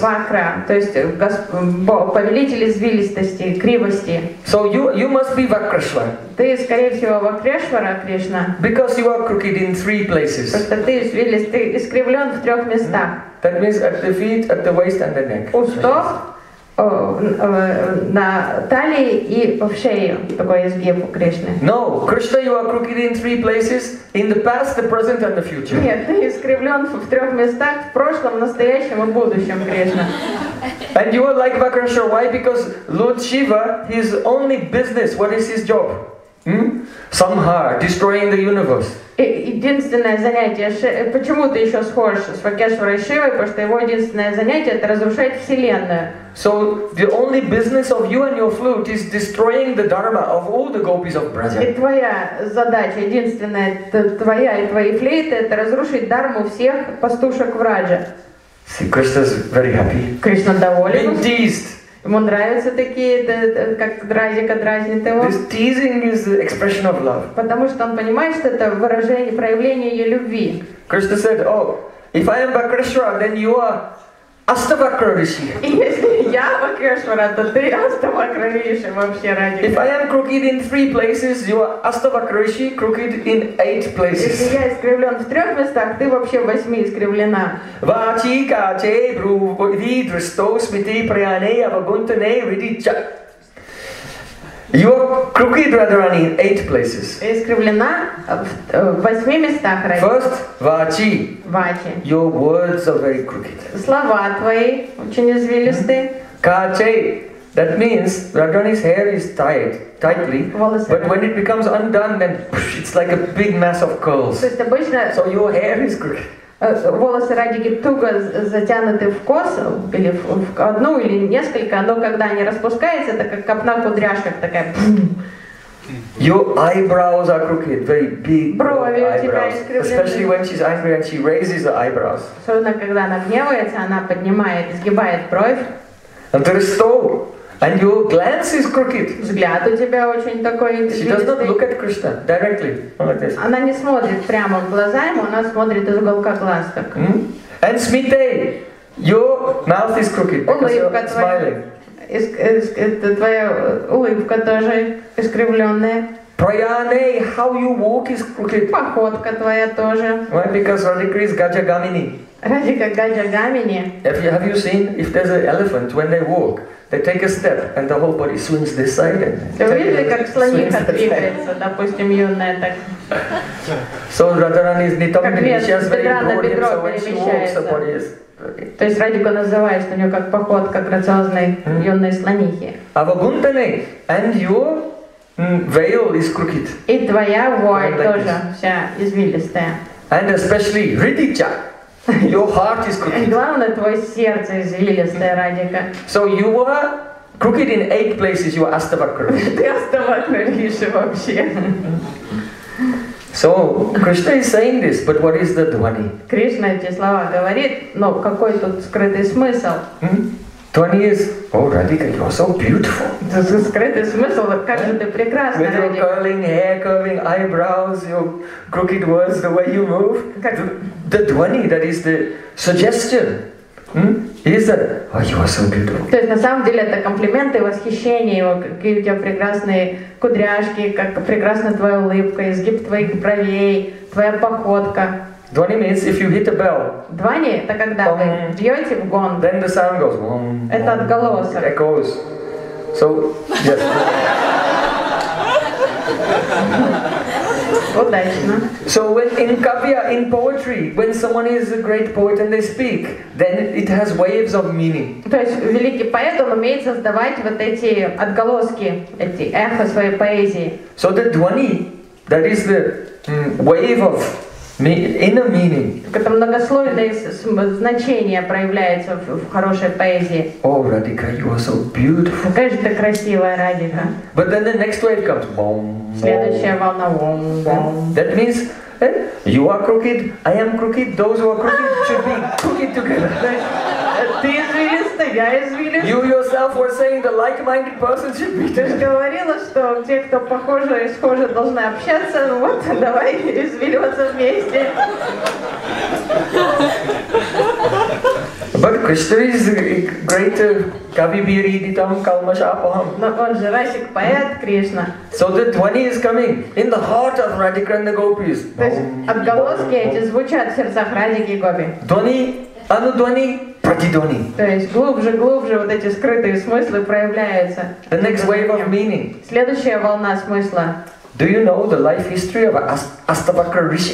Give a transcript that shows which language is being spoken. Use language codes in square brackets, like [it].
[ru] Vakra, то есть повелитель извилистости, кривости. [en] So you must be Vakrishva. [ru] Ты, скорее всего, Вакрешвара, Кришна. [en] Because you are crooked in three places. [ru] Просто ты извилист, ты искривлен в трех местах. [en] That means at the feet, at the waist and the neck. [ru] У стоп, на талии и в шею такой изгиб у Кришны. [en] No, Krishna, you are crooked in three places, in the past, the present and the future. [ru] Нет, ты искривлен в трех местах, в прошлом, настоящем и будущем, Кришна. [en] And you are like Vakrasura. Why? Because Lord Shiva, his only business, what is his job? Somehow, destroying the universe. [ru] Единственное занятие, почему ты еще схож с Вакешварой Шивой, потому что его единственное занятие это разрушать вселенную. [en] So the only business of you and your flute is destroying the dharma of all the gopis of Braja. [ru] И твоя задача, единственная твоя и твои флейты, это разрушить дарму всех пастушек Враджа. [en] See, Krishna's very happy. [ru] Кришна доволен. [en] Being teased. [ru] Ему нравятся такие, как дразика дразнит его. [en] This teasing is the expression of love. [ru] Потому что он понимает, что это выражение, проявление ее любви. [en] Krishna said, oh, if I am Vakrishva, then you are Astavakra Rishi. [ru] И если я Vakrishva, то ты Astavakra Rishi вообще ради. [en] If I am crooked in three places, you are Astavakra Rishi, crooked in eight places. [ru] Если я искривлен в трех местах, ты вообще в восьми искривлена. [sa] Вачи каче бру види дристо смити прияне авагунтане види ча. [en] You are crooked, Radharani, in eight places. [ru] Искривлена в восьми местах, Радхи. [en] First, Vachi. Vachi. Your words are very crooked. [ru] Слова твои очень извилисты. [en] Kache. That means Radharani's hair is tied tightly, but when it becomes undone, then it's like a big mass of curls. [ru] То есть обычно. [en] So your hair is crooked. [ru] Волосы Радхи туго затянуты в косу, или в одну, или несколько, но когда они распускаются, это как копна кудряшек такая. [en] Your eyebrows are crooked, very big. [ru] Брови у тебя искривлены. [en] Especially when she's angry and she raises the eyebrows. [ru] Особенно когда она гневается, она поднимает, сгибает бровь. [en] And there is soul. And your glance is crooked. [ru] Взгляд у тебя очень такой. [en] She does not look at Krishna directly. [ru] Она не смотрит прямо в глаза ему, она смотрит из уголка глаз так. [en] And smite, your mouth is crooked. [ru] Улыбка твоя улыбка тоже искривленная. [en] Prayane, how you walk is crooked. [ru] Походка твоя тоже. [en] Why? Because Radhika is Gajagamini. Radhika Gajagamini. Have you seen if there's an elephant when they walk? They take a step and the whole body swings this side and so Radharani is nitamini, she has very broad hips, so when she walks the body is. [ru] То есть Радхика называет, что у нее как походка грациозной юной слонихи. [en] Авагунтане, and your veil is crooked. [ru] И твоя вуаль [en] like [ru] тоже [en] this. [ru] Вся извилистая. [en] And especially Ridicha. Your heart is crooked. [ru] Главное, твое сердце извилистое, Радика. [en] So you were crooked in 8 places, you were astavakra. [ru] Ты аставакра лишь вообще. [en] So Krishna is saying this, but what is the dhvani? [ru] Кришна эти слова говорит, но какой тут скрытый смысл? [en] Dhvani is, oh Radhika, you are so beautiful. [ru] Скрытый смысл, как же ты прекрасна, Радика. [en] With your curling hair, curving eyebrows, your crooked words, the way you move. The dhvani, that is the suggestion, is that, oh, you are so beautiful. [ru] То есть на самом деле это комплименты и восхищение его, какие у тебя прекрасные кудряшки, как прекрасна твоя улыбка, изгиб твоих бровей, твоя походка. [en] Dhvani means if you hit a bell. [ru] Dhvani это когда вы бьете в гонг. [en] Then the sound goes. Bom, [ru] это bom, отголосок. [en] Echoes. So, yes. [ru] Удачно. [en] So when in kavya, in poetry, when someone is a great poet and they speak, then it has waves of meaning. [ru] То есть великий поэт он умеет создавать вот эти отголоски, эти эхо своей поэзии. [en] So the dhvani, that is the wave of inner meaning. [ru] Это многослойное значение проявляется в хорошей поэзии. [en] Oh, Radhika, you are so beautiful. [ru] Какая же ты красивая, Радика. [en] But then the next wave comes. Boom. [ru] Следующая волна. Boom. [en] That means you are crooked, I am crooked, those who are crooked should be crooked together. [ru] Ты извилистый, я извилистый. [en] You yourself were saying the like-minded person should be. [ru] Ты же говорила, что те, кто похожи и схожи, должны общаться. Ну вот, давай извиливаться вместе. [en] But Krishna is a great kavibiri ditam kalmashapaham. [ru] Но он же Расик поэт Кришна. [en] So the dhvani is coming in the heart of Radhika and the gopis. [ru] То есть отголоски эти звучат в сердцах Радики и Гопи. [sa] Dhvani, ану dhvani, прати dhvani. [ru] То есть глубже вот эти скрытые смыслы проявляются. [en] The next wave of meaning. [ru] Следующая волна смысла. [en] Do you know the life history of Astavakra Rishi?